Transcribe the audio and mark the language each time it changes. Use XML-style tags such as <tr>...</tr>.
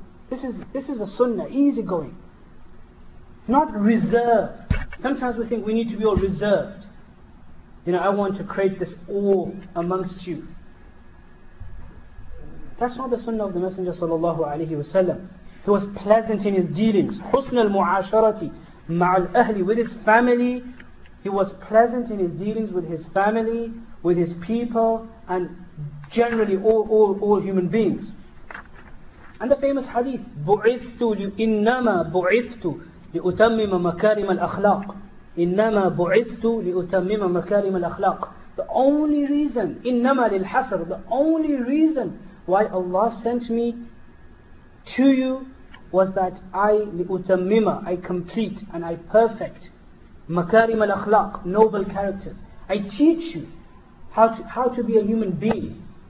<en>This is a sunnah, easygoing. Not reserved. Sometimes we think we need to be all reserved. You know, I want to create this awe amongst you. That's not the sunnah of the Messenger sallallahu alayhi wa sallam. He was pleasant in his dealings.</en> <ar>حسن المعاشرة مع الأهل,</ar> <en>with his family. He was pleasant in his dealings with his family, with his people, and generally all human beings. And the famous hadith,</en> <ar>بُعِثْتُ لِإِنَّمَا بُعِثْتُ لِأُتَمِّمَ مَكَارِمَ الْأَخْلَاقِ إِنَّمَا بُعِثْتُ لِأُتَمِّمَ مَكَارِمَ الْأَخْلَاقِ.</ar> <en>The only reason,</en> <ar>إِنَّمَا لِلْحَسَرِ,</ar> <en>the only reason why Allah sent me to you was that I,</en> <ar>لِأُتَمِّمَ,</ar> <en>I complete and I perfect</en> <ar>مكارم الأخلاق,</ar> <en>noble characters. I teach you how to be a human being.</en>